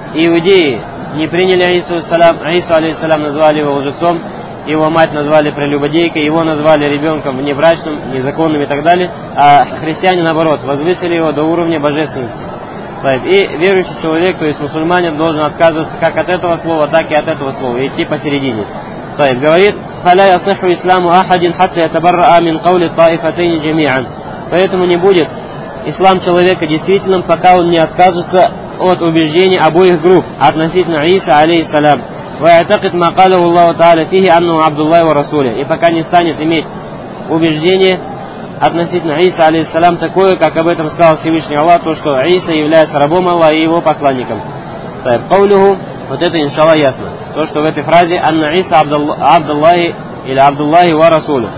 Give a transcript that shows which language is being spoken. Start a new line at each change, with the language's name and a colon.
Russian: Иудеи не приняли Ису алейхиссалям, Ису алейхиссалям назвали его лжецом, его мать назвали прелюбодейкой, его назвали ребенком внебрачным, незаконным и так далее. А христиане, наоборот, возвысили его до уровня божественности. И верующий человек, то есть мусульманин, должен отказываться как от этого слова, так и от этого слова, и идти посередине.
Arabic: Тайб говорит, فَلَا يَصِحُ إِسْلَامُ أَحَدٍ حَتَّ يَتَبَرَّأَ مِنْ قَوْلِ طَائِفَتَيْنِ جَمِيعًا.
Russian: Поэтому не будет ислам человека действительным, пока он не откажется от убеждений обоих групп относительно Иса, алейхиссалям.
Arabic: ويعتقد ما قاله الله تعالى فيه أنه عبد الله ورسوله.
Russian: И пока не станет иметь убеждение относительно Иса, алейхиссалям, такое, как об этом сказал Всевышний Аллах, то, что Иса является рабом Аллаха и его посланником. Так, قوله, вот это, иншаллах, ясно. То, что в этой фразе «Анна Иса Абдуллахи» или «Абдуллахи ва Расулу».